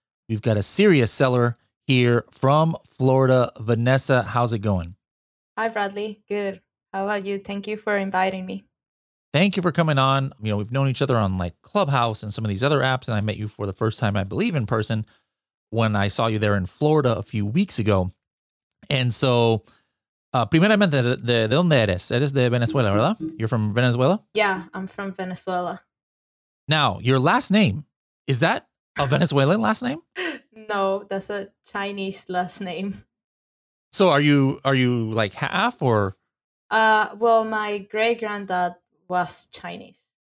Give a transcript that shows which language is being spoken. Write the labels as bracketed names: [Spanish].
[English] We've got a serious seller here from Florida. Vanessa, how's it going? Hi, Bradley. Good. How about you? Thank you for inviting me. Thank you for coming on. You know, we've known each other on like Clubhouse and some of these other apps, and I met you for the first time, I believe, in person when I saw you there in Florida a few weeks ago. And so, [Spanish] primeramente, ¿de dónde eres? Eres de Venezuela, ¿verdad? [English] You're from Venezuela? Yeah, I'm from Venezuela. Now, your last name, is that a Venezuelan last name? No, that's a Chinese last name. So are you like half or? Well, my great-granddad was Chinese.